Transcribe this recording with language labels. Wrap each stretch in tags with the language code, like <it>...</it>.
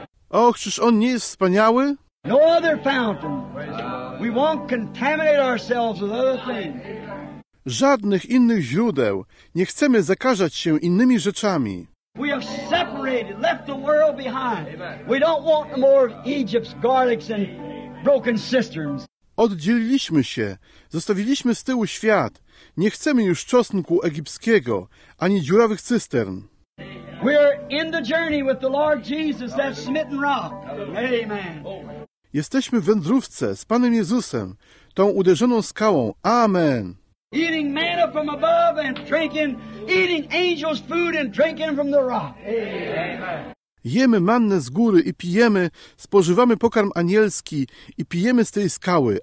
<pl>Och, czyż on nie jest wspaniały?</pl> <en>No other fountain. We won't contaminate ourselves with other things.</en> <pl>Żadnych innych źródeł. Nie chcemy zakażać się innymi rzeczami.</pl> <en>We have separated, left the world behind. We don't want more of Egypt's garlics and broken cisterns.</en> <pl>Oddzieliliśmy się. Zostawiliśmy z tyłu świat. Nie chcemy już czosnku egipskiego, ani dziurawych cystern.</pl> <en>We're in the journey with the Lord Jesus, that smitten rock. Amen.</en> <pl>Jesteśmy w wędrówce z Panem Jezusem, tą uderzoną skałą. Amen.</pl> <en>Eating manna from above and drinking, eating angels' food and drinking from the rock. Amen.</en> <pl>Jemy mannę z góry i pijemy, spożywamy pokarm anielski i pijemy z tej skały.</pl>